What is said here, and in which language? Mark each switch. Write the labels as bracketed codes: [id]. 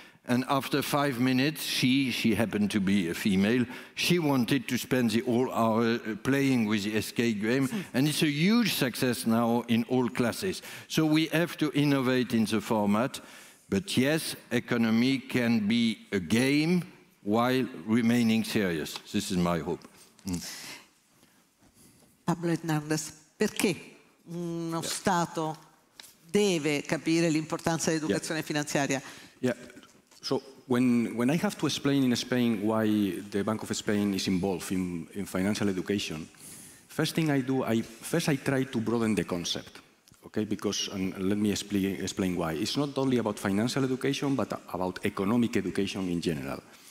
[en] And after 5 minutes, she happened to be a female, she wanted to spend the whole hour playing with the escape game. And it's a huge success now in all classes. So we have to innovate in the format. But yes, economy can be a game while remaining serious. This is my hope. [it] Pablo Hernandez, perché uno Stato deve capire l'importanza dell'educazione finanziaria? [en] Yeah. So when I have to explain in Spain why the Bank of Spain is involved in financial education, first thing I do, I try to broaden the concept, okay? Because, and let me explain why. It's not only about financial education, but about economic education in general.